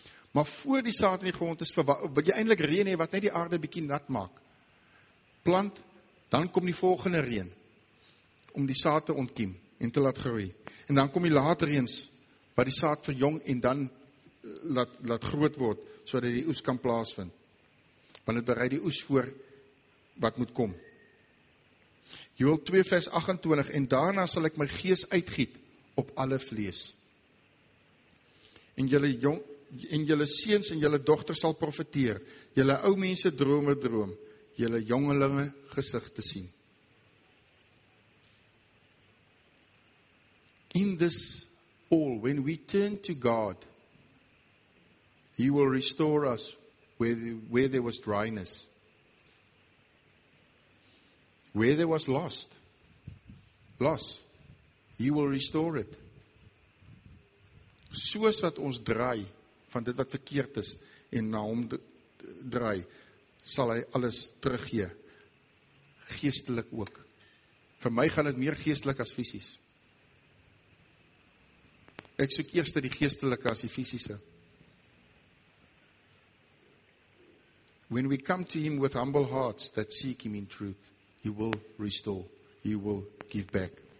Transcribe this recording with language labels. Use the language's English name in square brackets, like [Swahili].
[Afrikaans] Maar voor die saad in die grond is, wil jy eintlik reën hê wat net die aarde bietjie nat maak. Plant, dan kom die volgende reën om die saad te ontkiem en te laat groei. En dan kom die later reëns wat die saad verjong en dan laat groot word, sodat die oes kan plaasvind. Want het bereid die oes voor wat moet kom. Joel 2 vers 28, en daarna sal ek my gees uitgiet op alle vlees. En julle seuns en julle dogters sal profeteer, julle ou mense drome droom, julle jongelinge gesig te sien. [English] In this all, when we turn to God, He will restore us where there was dryness, where there was loss, He will restore it. [Afrikaans] Soos wat ons draai van dit wat verkeerd is en na hom draai, sal hy alles teruggee, geestelik ook. Vir my gaan dit meer geestelik as fisies. Ek soek eerste die geestelike as die fisiese. [English] When we come to Him with humble hearts that seek Him in truth, He will restore, He will give back.